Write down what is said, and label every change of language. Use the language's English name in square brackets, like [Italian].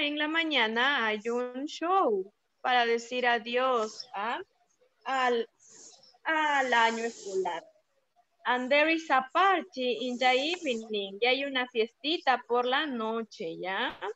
[Spanish] En la mañana hay un show para decir adiós al año escolar. [English] And there is a party in the evening. [Spanish] Y hay una fiestita por la noche, ¿ya?